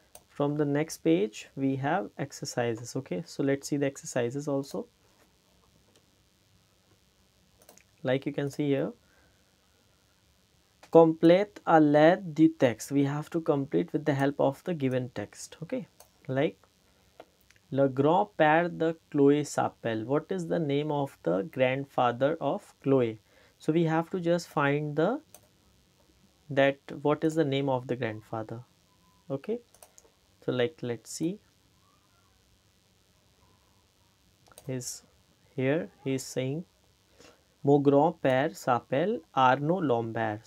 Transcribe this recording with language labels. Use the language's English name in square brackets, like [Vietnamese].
[English] From the next page, we have exercises. Okay, so let's see the exercises also. Like you can see here, complete a lead du text. We have to complete with the help of the given text. [French] Okay, [English] like [French] le grand père de Chloé s'appelle. [English] What is the name of the grandfather of Chloé? So we have to just find the that what is the name of the grandfather. Okay, so like let's see. his here he is saying [French] mon grand père s'appelle Arnaud Lambert.